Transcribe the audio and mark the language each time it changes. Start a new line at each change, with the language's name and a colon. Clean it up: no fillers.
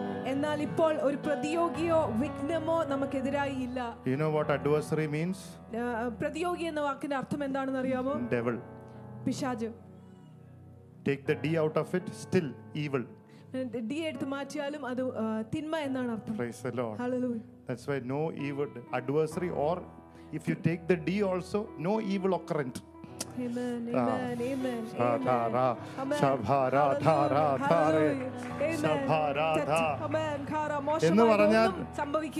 Malayalam: എന്നാൽ ഇപ്പോൾ ഒരു പ്രതിയോഗിയോ വിഘ്നമോ നമുക്കെതിരായി ഇല്ല.
English: You know what adversary means?
Malayalam: പ്രതിയോഗി എന്ന വാക്കിന്റെ അർത്ഥം എന്താണെന്ന് അറിയാമോ?
English: Devil.
Malayalam: പിശാച്.
English: Take the D out of it, still evil.
Malayalam: D എടുത്ത് മാറ്റിയാലും അത് തിന്മ എന്നാണ് അർത്ഥം.
English: Praise the Lord. Hallelujah. That's why no evil adversary or if you take the D also, no evil occurrent. Amen. Amen. Amen. Shabhara. Shabhara. Shabhara. Shabhara. Shabhara. Amen. Amen. Shabhara. Amen. Amen. Shabhara.